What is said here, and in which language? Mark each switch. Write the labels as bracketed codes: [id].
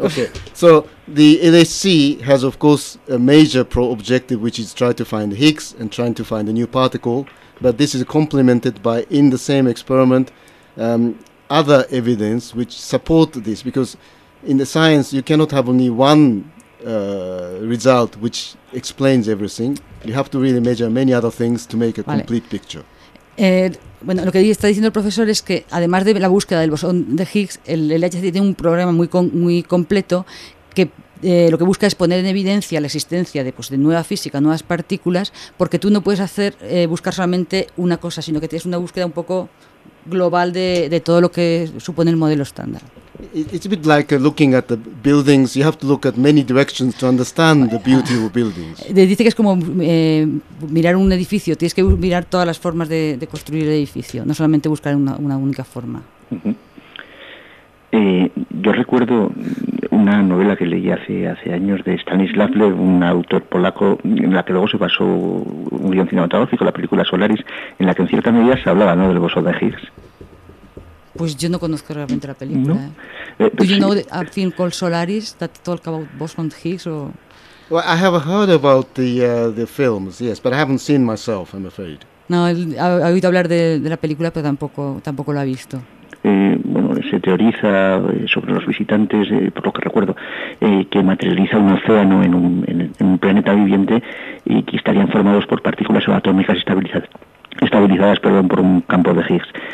[en] Okay, so the LHC has of course a major objective, which is try to find Higgs and trying to find a new particle, but this is complemented by, in the same experiment, other evidence which support this, because in the science you cannot have only one result which explains everything. You have to really measure many other things to make a [es] vale. [en] complete picture. [es] Bueno, lo que está diciendo el profesor es que además de la búsqueda del bosón de Higgs, el LHC tiene un programa muy completo que lo que busca es poner en evidencia la existencia de, pues, de nueva física, nuevas partículas, porque tú no puedes hacer buscar solamente una cosa, sino que tienes una búsqueda un poco global de todo lo que supone el modelo estándar. [en] It's a bit like looking at the buildings. You have to look at many directions to understand the beauty of buildings. [es] Dice que es como mirar un edificio. Tienes que mirar todas las formas de construir el edificio, no solamente buscar una única forma. Uh-huh. Yo recuerdo una novela que leí hace años de Stanislav Lev, un autor polaco, en la que luego se basó un guion cinematográfico, la película Solaris, en la que en cierta medida se hablaba, ¿no?, del bosón de Higgs. Pues yo no conozco realmente la película. No. [en] Do you know a film called Solaris that talk about boson Higgs? Or? Well, I have heard about the films, yes, but I haven't seen myself, I'm afraid. [es] No, he oído hablar de la película, pero tampoco lo he visto. Bueno, se teoriza sobre los visitantes, por lo que recuerdo, que materializa un océano en un planeta viviente y que estarían formados por partículas subatómicas estabilizadas, perdón, por un campo de Higgs.